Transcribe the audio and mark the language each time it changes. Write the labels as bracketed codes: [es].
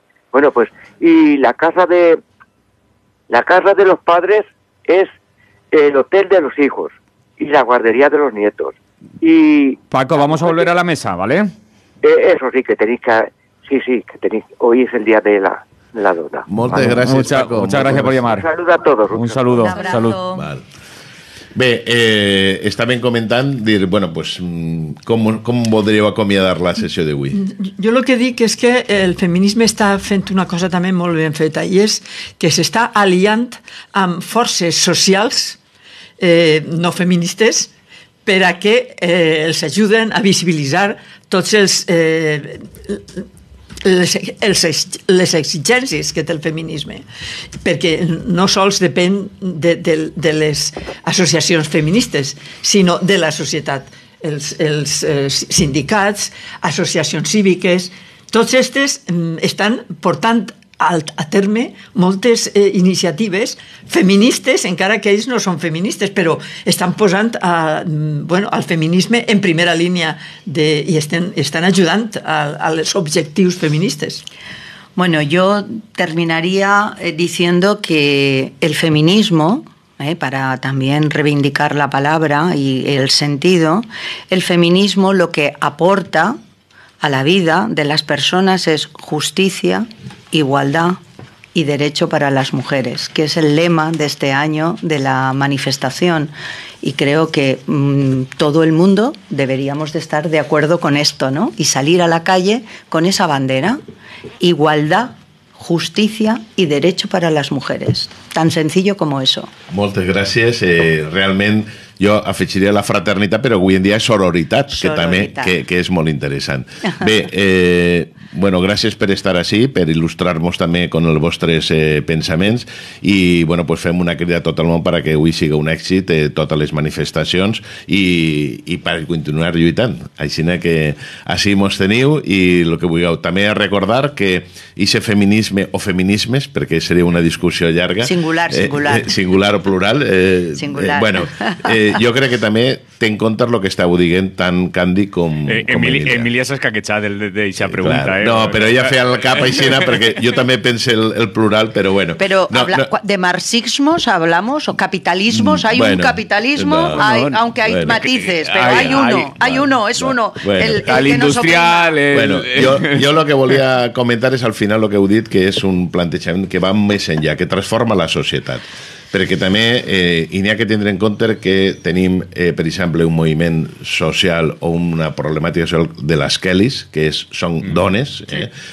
[es] Bueno, pues, y la casa de los padres es el hotel de los hijos y la guardería de los nietos. Y Paco, vamos a volver a la mesa, ¿vale? Eso sí, que tenéis que... Sí, que tenéis... Hoy es el día de la dona. Muchas gracias, Paco. Muchas gracias por llamar. Un saludo a todos. Un saludo. Un abrazo. Salud. Vale. [ca] Bé, estaven comentant, dir, [es] bueno, pues, [ca] com voldríeu acomiadar la sessió d'avui? Jo el que dic és que el feminisme està fent una cosa també molt ben feta, i és que s'està aliant amb forces socials no feministes per a que els ajuden a visibilitzar tots els... les exigències que té el feminisme, perquè no sols depèn de les associacions feministes, sinó de la societat, els sindicats, associacions cíviques, tots aquests estan portant a terme moltes iniciatives feministes, encara que ells no són feministes, però estan posant a, bueno, al feminisme en primera línia de, i estan ajudant a els objectius feministes. [es] Bueno, yo terminaría diciendo que el feminismo, para también reivindicar la palabra y el sentido, el feminismo lo que aporta a la vida de las personas es justicia, igualdad y derecho para las mujeres, que es el lema de este año de la manifestación. Y creo que todo el mundo deberíamos de estar de acuerdo con esto, ¿no? Y salir a la calle con esa bandera, igualdad, justicia y derecho para las mujeres. Tan sencillo como eso. [ca] Moltes gràcies. Realment, jo afegiria la fraternitat, però avui en dia és sororitat, que també que és molt interessant. Bé, bueno, gràcies per estar ací, per il·lustrar-nos també con els vostres pensaments, i bueno, pues fem una crida a tot el món [es] para que [ca] avui sigui un èxit totes les manifestacions i per continuar lluitant. Així que ací mos teniu i el que vulgueu. També recordar que ixe feminisme o feminismes, perquè seria una discussió llarga... Singular o plural. Singular. Bueno, jo crec que també té en compte el que estàveu dient tant Candy com Emilia. Emilia s'ha escaquetxat d'aquesta pregunta. Clar. No, però ella feia el cap aixina perquè jo també pense el plural, però bueno. Però no, [es] de marxismos hablamos o capitalismos, hay bueno, un capitalismo, no, hay, no, aunque hay bueno, matices, pero hay uno, hay uno, es uno. Bueno, el industrial... [ca] Bueno, jo el que volia comentar és al final el que heu dit, que és un plantejament que va més enllà, que transforma la societat. Perquè també hi ha que tindre en compte que tenim, per exemple, un moviment social o una problemàtica social de les Kellys, que és, són dones, sí.